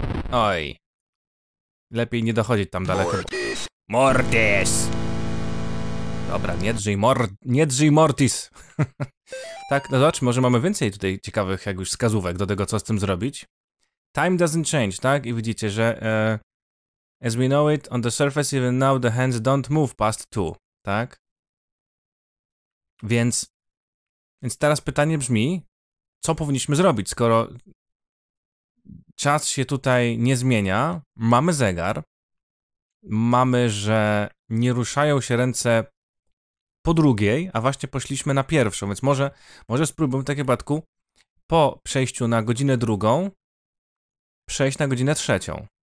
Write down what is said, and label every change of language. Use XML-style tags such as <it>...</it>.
<pl>Oj. Lepiej nie dochodzić tam daleko. Mortis! Dobra, nie drzyj Mortis. Tak, no zobacz, może mamy więcej tutaj ciekawych jakichś wskazówek do tego, co z tym zrobić.</pl> <en>Time doesn't change,</en> <pl>tak? I widzicie, że</pl> <en>as we know it, on the surface even now the hands don't move past two,</en> <pl>tak? Więc teraz pytanie brzmi, co powinniśmy zrobić, skoro czas się tutaj nie zmienia, mamy zegar, mamy, że nie ruszają się ręce po drugiej, a właśnie poszliśmy na pierwszą, więc może spróbujmy w takim przypadku po przejściu na godzinę drugą przejść na godzinę trzecią.</pl>